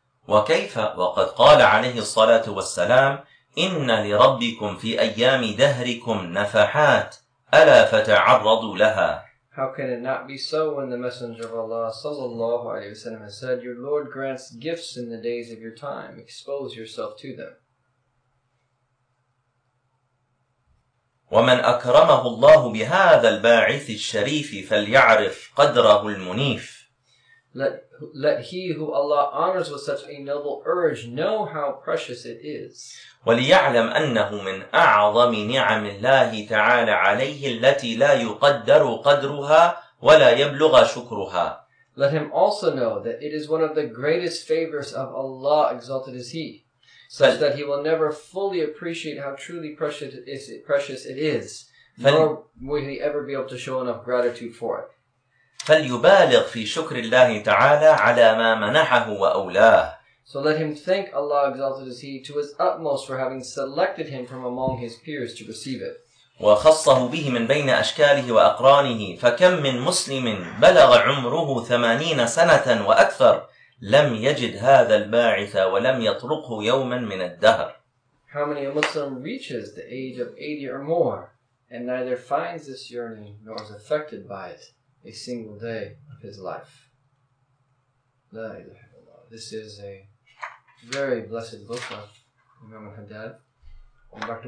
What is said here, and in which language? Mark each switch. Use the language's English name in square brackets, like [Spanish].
[Arabic] وكيف وقد قال عليه الصلاة والسلام إِنَّ لِرَبِّكُمْ فِي أَيَّامِ دَهْرِكُمْ نَفَحَاتٍ أَلَا فَتَعَرَّضُوا لَهَا. [English] How can it not be so when the Messenger of Allah sallallahu alayhi wa sallam has said, your Lord grants gifts in the days of your time, expose yourself to them. [Arabic] ومن أكرمه الله بهذا الباعث الشريف فليعرف قدره المنيف. [English] Let he who Allah honors with such a noble urge know how precious it is. [Arabic] وليعلم أنه من أعظم نعم الله تعالى عليه التي لا يقدر قدرها ولا يبلغ شكرها. [English] Let him also know that it is one of the greatest favors of Allah, exalted is He, such that he will never fully appreciate how truly precious it is, nor will he ever be able to show enough gratitude for it. [Arabic] فليبالغ في شكر الله تعالى على ما منحه وأولاه. [English] So let him thank Allah, exalted is He, to his utmost for having selected him from among his peers to receive it. [Arabic] وخصه به من بين أشكاله وأقرانه فكم من مسلم بلغ عمره 80 سنة وأكثر لم يجد هذا الباعث ولم يطرقه يوما من الدهر. [English] How many a Muslim reaches the age of 80 or more and neither finds this yearning nor is affected by it a single day of his life. [Arabic] لا إله إلا الله. [English] This is a very blessed book of Imam al-Haddad. And Dr.